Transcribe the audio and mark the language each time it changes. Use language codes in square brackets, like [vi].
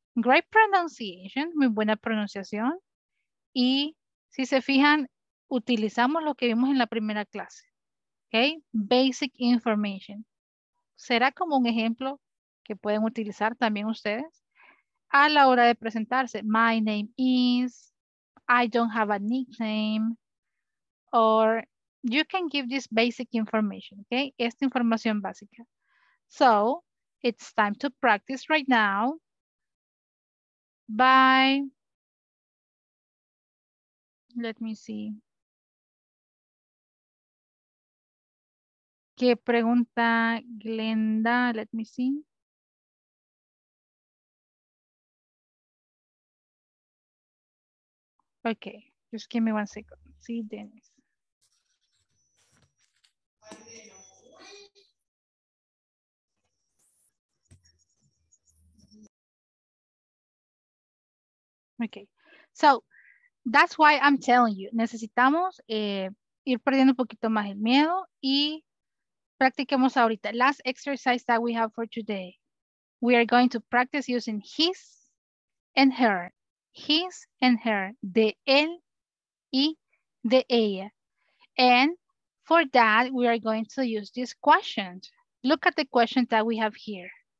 [es] Great pronunciation. Muy buena pronunciación. Y si se fijan, utilizamos lo que vimos en la primera clase. Okay. [en] Basic information. [es] ¿Será como un ejemplo que pueden utilizar también ustedes a la hora de presentarse? [en] My name is, I don't have a nickname, or you can give this basic information, okay? Esta información básica. So, it's time to practice right now. Bye. Let me see. ¿Qué pregunta Glenda? Let me see. Okay, just give me one second. See, Dennis. Okay, so that's why I'm telling you. [es] Necesitamos ir perdiendo un poquito más el miedo y practiquemos ahorita. [en] Last exercise that we have for today. We are going to practice using his and her. [es] His and her. De él y de ella. [en] And for that, we are going to use this question. Look at the question that we have here.